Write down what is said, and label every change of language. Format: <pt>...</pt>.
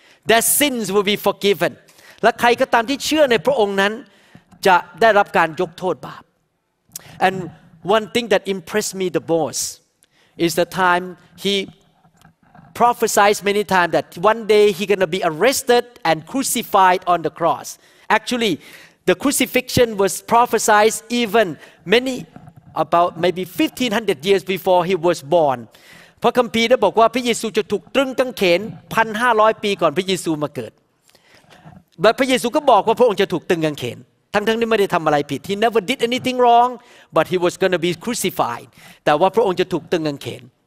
<en>their sins will be forgiven</en> <th>และใครก็ตามที่เชื่อในพระองค์นั้นจะได้รับการยกโทษบาป</th> <en>And one thing that impressed me the mostIs the time he prophesied many times that one day he gonna be arrested and crucified on the cross. Actually, the crucifixion was prophesied even many about maybe 1500 years before he was born.</en> <th>พระคัมภีร์ได้บอกว่าพระเยซูจะถูกตรึงกางเขน 1,500 ปีก่อนพระเยซูมาเกิดแต่พระเยซูก็บอกว่าพระองค์จะถูกตรึงกางเขนทั้งที่ไม่ได้ทำอะไรผิด</th> <en>He never did anything wrong but he was going to be crucified</en> <th>แต่ว่าพระองค์จะถูกตรึงกางเขน</th>